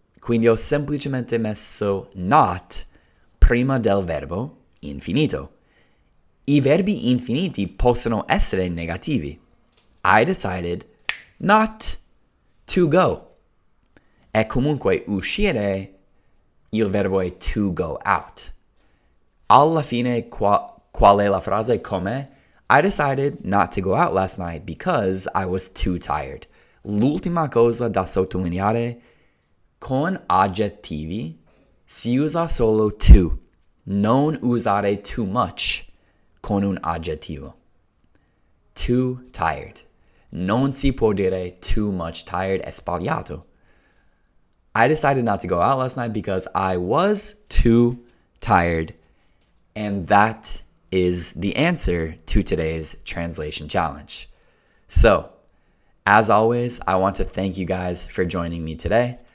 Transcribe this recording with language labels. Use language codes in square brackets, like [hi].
[it] Quindi ho semplicemente messo not prima del verbo infinito. I verbi infiniti possono essere negativi. [en] I decided not to go. [it] E comunque uscire, il verbo è to go out. Alla fine, qual è la frase? Come? [en] I decided not to go out last night because I was too tired. [it] L'ultima cosa da sottolineare, con aggettivi si usa solo to. Non usare too much con un aggettivo. [en] Too tired. [it] Non si può dire [en] too much tired, [it] è sbagliato. [en] I decided not to go out last night because I was too tired. And that is the answer to today's translation challenge. So, as always, I want to thank you guys for joining me today.